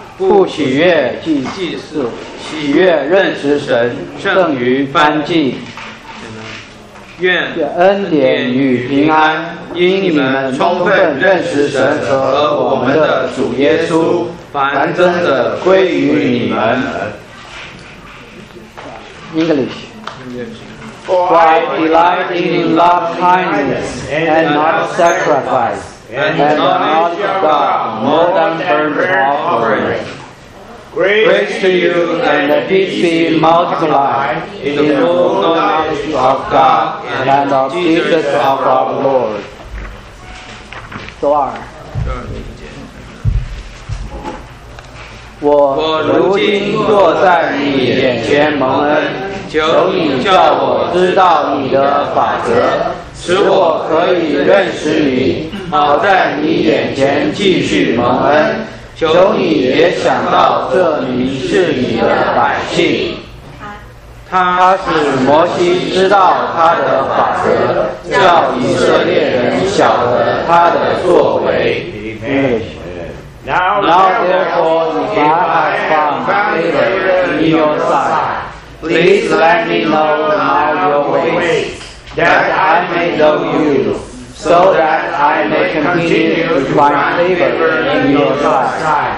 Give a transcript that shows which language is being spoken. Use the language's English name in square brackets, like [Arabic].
[Chinese] 不喜悦祭祀，喜悦认识神，胜于燔祭。愿恩典与平安因你们充分认识神和我们的主耶稣，凡真的归于你们。 [English] English. For I delight in love kindness and not sacrifice, and not God more than burnt offering. Grace to you and the peace be multiplied in the full knowledge of God and of Jesus of our Lord. 2. [Chinese] 我如今坐在你眼前蒙恩，求你叫我知道你的法则，使我可以认识你，好在你眼前继续蒙恩。求你也想到这民是你的百姓。他使摩西知道他的法则，叫以色列人晓得他的作为。 [English] Now therefore, if I have found favor in your sight, please let me know now your ways, that I may know you, so that I may continue to find favor in your sight.